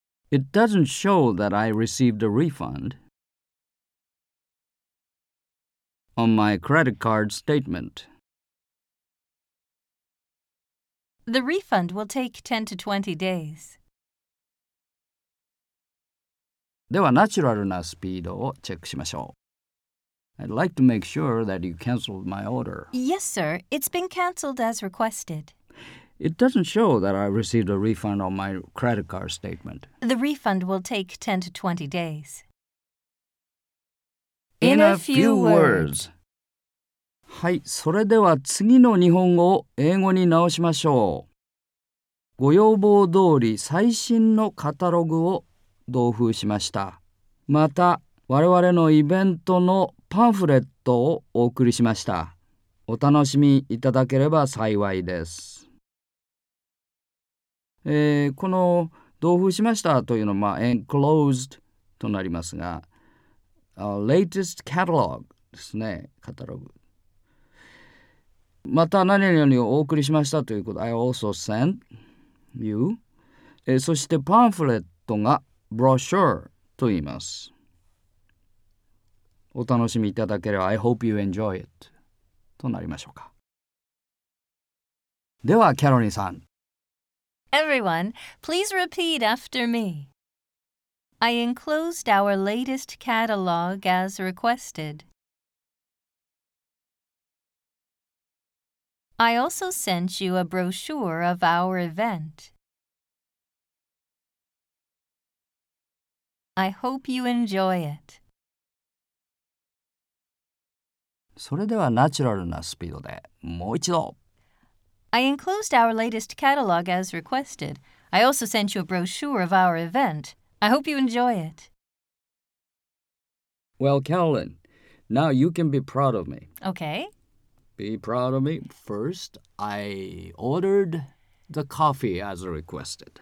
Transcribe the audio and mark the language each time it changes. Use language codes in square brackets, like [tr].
[en] It doesn't show that I received a refund on my credit card statement. The refund will take 10 to 20 days. [ja] では、ナチュラルなスピードをチェックしましょう。 [en] I'd like to make sure that you canceled my order. Yes, sir. It's been canceled as requested. It doesn't show that I received a refund on my credit card statement. The refund will take 10 to 20 days. In a few words. [ja] はい、それでは次の日本語を英語に直しましょう。ご要望通り最新のカタログを同封しました。また、我々のイベントのパンフレットをお送りしました。お楽しみいただければ幸いです。この同封しましたというのは、enclosed となりますが、 [en] latest catalog [ja] ですね、カタログ。また何々をお送りしましたということ、 [en] I also sent you、 [ja] そしてパンフレットが brochure と言います。お楽しみいただければ [en] I hope you enjoy it [ja] となりましょうか。ではキャロリンさん。 [en] Everyone, please repeat after me. I enclosed our latest catalog as requested. I also sent you a brochure of our event. I hope you enjoy it. [ja] それではナチュラルなスピードでもう一度。 [en] I enclosed our latest catalog as requested. I also sent you a brochure of our event. I hope you enjoy it. Well, Carolyn, now you can be proud of me. Okay. Be proud of me. First, I ordered the coffee as requested.